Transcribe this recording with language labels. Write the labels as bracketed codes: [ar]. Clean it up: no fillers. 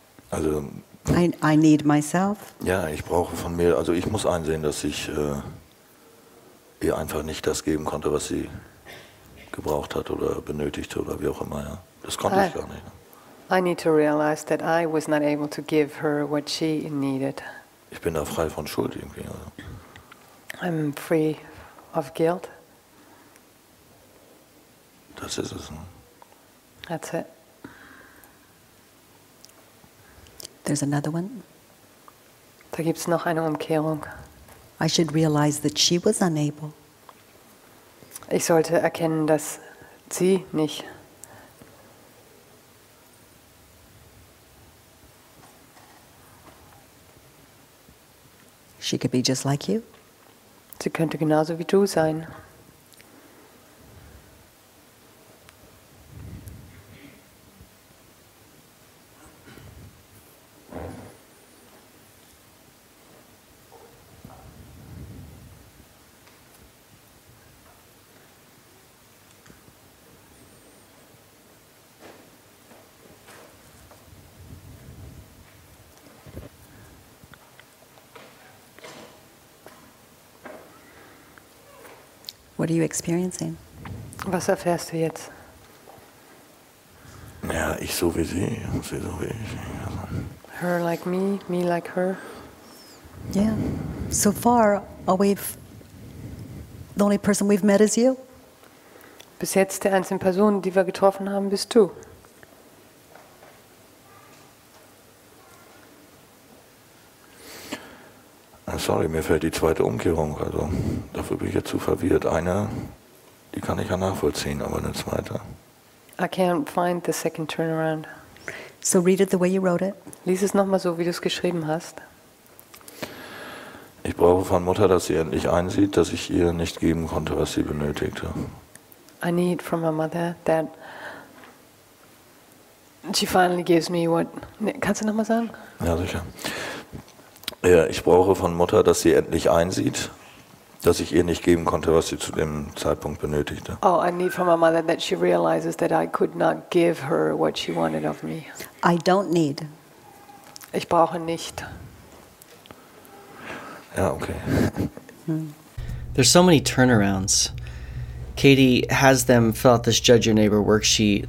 [de] Also. [en] I need myself. [de] Ja, ich brauche von mir, also ich muss einsehen, dass ich ihr einfach nicht das geben konnte, was sie gebraucht hat oder benötigt oder wie auch immer. Ja. Das konnte ich gar nicht. [en] I need to realize that I was not able to give her what she needed. [de] Ich bin da frei von Schuld irgendwie. Also. [en] I'm free of guilt. [de] Das ist es. Ne? [en] That's it. There's another one. [de] Da gibt's noch eine Umkehrung. [en] I should realize that she was unable. [de] Ich sollte erkennen, dass sie nicht. [en] She could be just like you. [de] Sie könnte genauso wie du sein. [en] What are you experiencing? [de] Was erfährst du jetzt? Ja, ich so wie sie, und sie so wie ich. Also. [en] Her like me, me like her. Yeah. So far, the only person we've met is you. [de] Bis jetzt die einzige Person, die wir getroffen haben, bist du. Sorry, mir fällt die zweite Umkehrung. Also dafür bin ich jetzt zu verwirrt. Eine, die kann ich ja nachvollziehen, aber eine zweite. [en] I can't find the second turnaround. So read it the way you wrote it. [de] Lies es nochmal so, wie du es geschrieben hast. Ich brauche von Mutter, dass sie endlich einsieht, dass ich ihr nicht geben konnte, was sie benötigte. [en] I need from my mother that she finally gives me what. [de] Kannst du nochmal sagen? Ja, sicher. Ja, ich brauche von Mutter, dass sie endlich einsieht, dass ich ihr nicht geben konnte, was sie zu dem Zeitpunkt benötigte. [en] Oh, I need from my mother that she realizes that I could not give her what she wanted of me. I don't need. [de] Ich brauche nicht. Ja, okay. [en] There's so many turnarounds. Katie has them fill out this Judge Your Neighbor worksheet.